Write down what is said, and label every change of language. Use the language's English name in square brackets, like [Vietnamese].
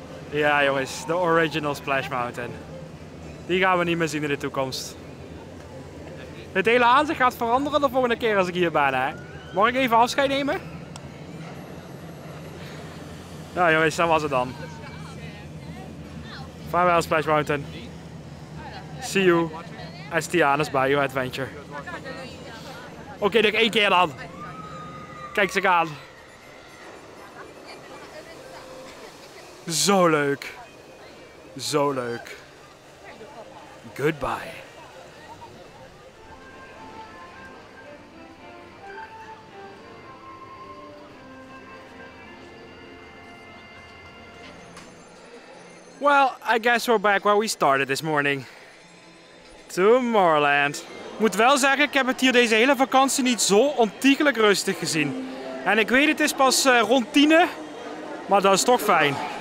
[Dutch] Ja jongens, de original Splash Mountain. Die gaan we niet meer zien in de toekomst. Het hele aanzicht gaat veranderen de volgende keer als ik hier ben, hè. Mag ik even afscheid nemen? Nou jongens, dat was het dan. Vaarwel Splash Mountain. [English] See you at Tiana's Bayou Adventure. [Dutch] Oké, nog één keer dan. Kijk ze aan. Zo leuk. Zo leuk. Goodbye. [English] Well, I guess we're back where we started this morning. Tomorrowland. [Dutch] Ik moet wel zeggen, ik heb het hier deze hele vakantie niet zo ontiegelijk rustig gezien. En ik weet, het is pas rond 10, maar dat is toch fijn.